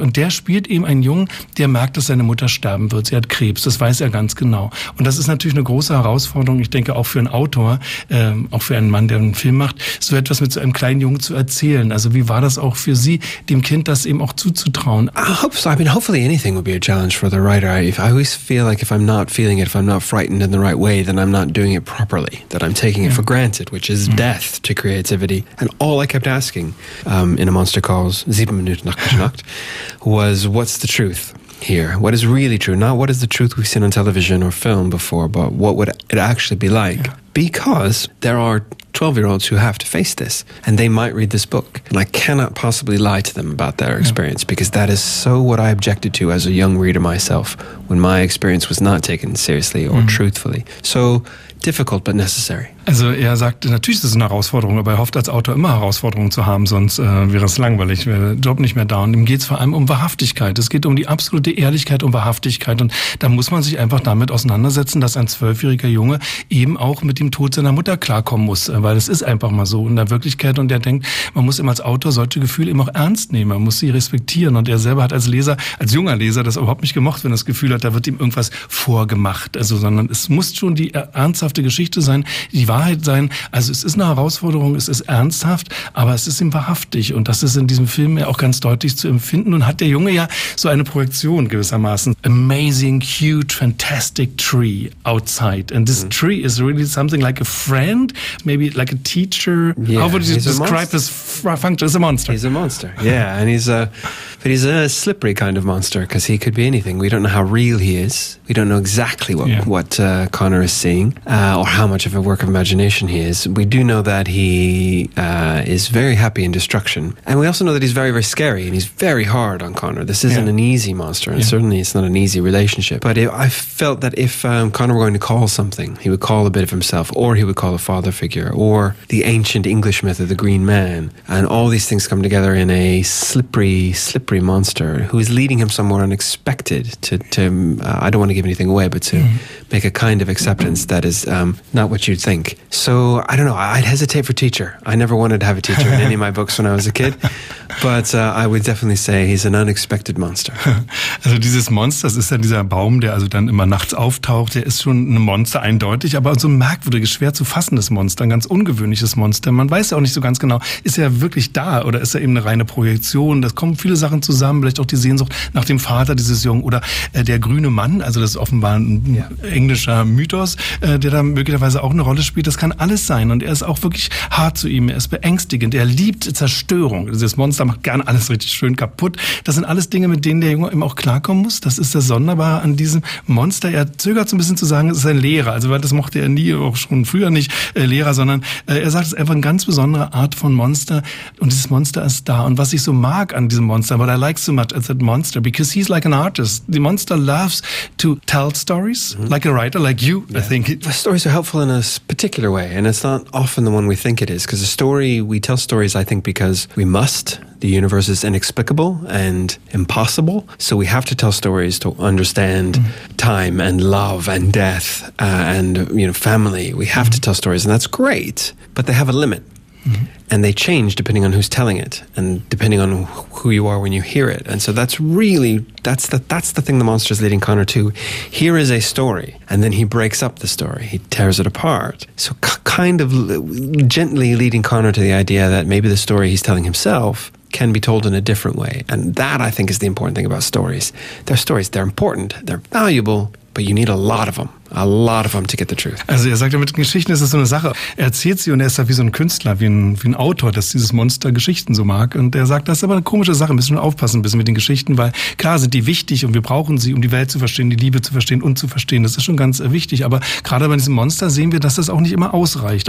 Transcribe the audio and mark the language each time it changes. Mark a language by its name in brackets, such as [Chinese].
[German] Und der spielt eben einen Jungen, der merkt, dass seine Mutter sterben wird. Sie hat Krebs, das weiß er ganz genau. Und das ist natürlich eine große Herausforderung, ich denke, auch für einen Autor, auch für einen Mann, der einen Film macht, so etwas mit so einem kleinen Jungen zu erzählen. Also wie war das auch für Sie, dem Kind das eben auch zuzutrauen? [English] I hope so. I mean, hopefully anything would be a challenge for the writer. I always feel like if I'm not feeling it, if I'm not frightened in the right way, then I'm not doing it properly, that I'm taking it for granted, which is death to creativity. And all I kept asking in A Monster Calls, 7 Minuten nach Mitternacht, was what's the truth? Here, what is really true? Not what is the truth we've seen on television or film before, but what would it actually be like? Yeah. Because there are 12-year-olds who have to face this, and they might read this book, and I cannot possibly lie to them about their experience, because that is so what I objected to as a young reader myself, when my experience was not taken seriously or truthfully. So difficult, but necessary. [German] Also er sagt, natürlich ist es eine Herausforderung, aber er hofft als Autor immer Herausforderungen zu haben, sonst wäre es langweilig, wäre der Job nicht mehr da. Und ihm geht es vor allem um Wahrhaftigkeit. Es geht um die absolute Ehrlichkeit, um Wahrhaftigkeit. Und da muss man sich einfach damit auseinandersetzen, dass ein 12-jähriger Junge eben auch mit dem Tod seiner Mutter klarkommen muss. Weil es ist einfach mal so in der Wirklichkeit. Und er denkt, man muss eben als Autor solche Gefühle eben auch ernst nehmen. Man muss sie respektieren. Und er selber hat als Leser, als junger Leser, das überhaupt nicht gemocht, wenn er das Gefühl hat, da wird ihm irgendwas vorgemacht. Also, sondern es muss schon die ernsthafte Geschichte sein, die Wahrheit sein. Also es ist eine Herausforderung, es ist ernsthaft, aber es ist ihm wahrhaftig. Und das ist in diesem Film ja auch ganz deutlich zu empfinden. Und hat der Junge ja so eine Projektion gewissermaßen. [English] Amazing, huge, fantastic tree outside. And this tree is really something like a friend, maybe like a teacher. Yeah, how would you describe his function? He's a monster. He's a monster, yeah. And he's a... But he's a slippery kind of monster because he could be anything. We don't know how real he is. We don't know exactly what Connor is seeing or how much of a work of imagination he is. We do know that he is very happy in destruction. And we also know that he's very, very scary and he's very hard on Connor. This isn't an easy monster and certainly it's not an easy relationship. But I felt that if Connor were going to call something, he would call a bit of himself, or he would call a father figure, or the ancient English myth of the green man, and all these things come together in a slippery, slippery monster who is leading him somewhere unexpected I don't want to give anything away, but to make a kind of acceptance that is not what you'd think. So, I don't know, I'd hesitate for teacher. I never wanted to have a teacher in any of my books when I was a kid, but I would definitely say he's an unexpected monster. [German] Also dieses Monster, das ist ja dieser Baum, der also dann immer nachts auftaucht, der ist schon ein Monster, eindeutig, aber so ein merkwürdiges, schwer zu fassendes Monster, ein ganz ungewöhnliches Monster. Man weiß ja auch nicht so ganz genau, ist er wirklich da oder ist er eben eine reine Projektion? Das kommen viele Sachen zusammen, vielleicht auch die Sehnsucht nach dem Vater dieses Jungen oder der grüne Mann, also das ist offenbar ein englischer Mythos, der da möglicherweise auch eine Rolle spielt. Das kann alles sein und er ist auch wirklich hart zu ihm, er ist beängstigend, er liebt Zerstörung. Dieses Monster macht gerne alles richtig schön kaputt. Das sind alles Dinge, mit denen der Junge eben auch klarkommen muss. Das ist das Sonderbare an diesem Monster. Er zögert so ein bisschen zu sagen, es ist ein Lehrer, also weil das mochte er nie, auch schon früher nicht, Lehrer, sondern er sagt, es ist einfach eine ganz besondere Art von Monster und dieses Monster ist da. Und was ich so mag an diesem Monster, [English] what I like so much is that monster, because he's like an artist. The monster loves to tell stories, like a writer, like you, I think. The stories are helpful in a particular way, and it's not often the one we think it is, because a story, we tell stories, I think, because we must. The universe is inexplicable and impossible, so we have to tell stories to understand time and love and death and family. We have to tell stories, and that's great, but they have a limit. And they change depending on who's telling it and depending on who you are when you hear it. And so that's the thing the monster is leading Connor to. Here is a story, and then he breaks up the story. He tears it apart. So kind of gently leading Connor to the idea that maybe the story he's telling himself can be told in a different way. And that, I think, is the important thing about stories. They're stories. They're important. They're valuable. But you need a lot of them. A lot of them to get the truth. [German] Also er sagt ja, mit Geschichten ist es so eine Sache. Er erzählt sie und er ist ja wie so ein Künstler, wie ein Autor, dass dieses Monster Geschichten so mag. Und er sagt, das ist aber eine komische Sache. Müssen wir aufpassen ein bisschen mit den Geschichten, weil klar sind die wichtig und wir brauchen sie, um die Welt zu verstehen, die Liebe zu verstehen und zu verstehen. Das ist schon ganz wichtig. Aber gerade bei diesem Monster sehen wir, dass das auch nicht immer ausreicht.